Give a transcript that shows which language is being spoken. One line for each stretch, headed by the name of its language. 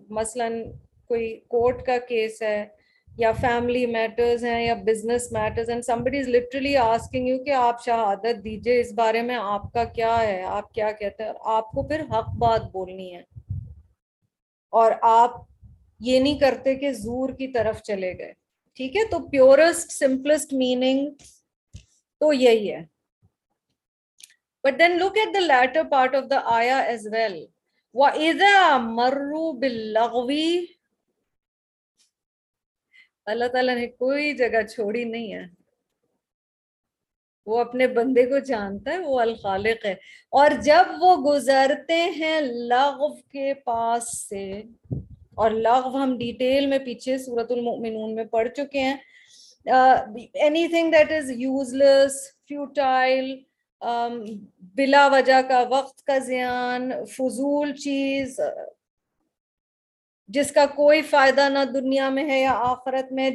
Urdu: مثلاً کوئی کورٹ کا کیس ہے یا فیملی میٹرز ہیں یا business matters,
English: and somebody is literally asking you
Urdu: کہ آپ شہادت دیجئے اس بارے میں آپ کا کیا ہے, آپ کیا کہتے ہیں, آپ کو پھر حق بات بولنی ہے, اور آپ یہ نہیں کرتے کہ زور کی طرف چلے گئے. ٹھیک ہے, تو پیورسٹ سمپلسٹ میننگ تو یہی ہے.
English: But then look at the latter part of the آیا as well.
Arabic: وَإِذَا مَرُّوا بِاللَّغْوِ,
Urdu: اللہ تعالیٰ نے کوئی جگہ چھوڑی نہیں ہے, وہ اپنے بندے کو جانتا ہے, وہ الخالق ہے. اور جب وہ گزرتے ہیں لغو کے پاس سے, اور لغو ہم ڈیٹیل میں پیچھے سورۃ المؤمنون میں پڑھ چکے ہیں,
English: anything that is useless,
Urdu: futile, بلا وجہ کا وقت کا زیان, فضول چیز جس کا کوئی فائدہ نہ دنیا میں ہے یا آخرت میں.